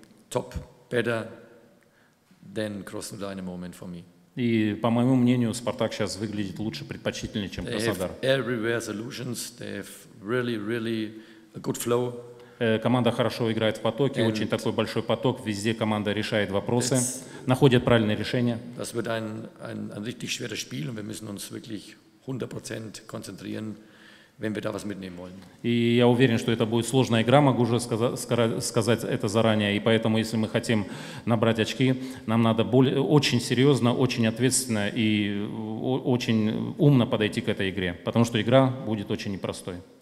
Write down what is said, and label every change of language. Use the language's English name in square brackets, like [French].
[English] Top, better than Krasnodar in a moment for me. [Russian] И по моему мнению, Спартак сейчас выглядит лучше, предпочтительнее, чем Краснодар. [English] Everywhere solutions. They have really, really a good flow. [Russian] Команда хорошо играет в потоке, очень такой большой поток. Везде команда решает вопросы, находит правильные решения. [German] Das wird ein richtig schweres Spiel und wir müssen uns wirklich 100% konzentrieren. Wenn wir da was mitnehmen wollen. [Russian] И я уверен, что это будет сложная игра, могу уже сказать это заранее. И поэтому, если мы хотим набрать очки, нам надо очень серьезно, очень ответственно и очень умно подойти к этой игре. Потому что игра будет очень непростой.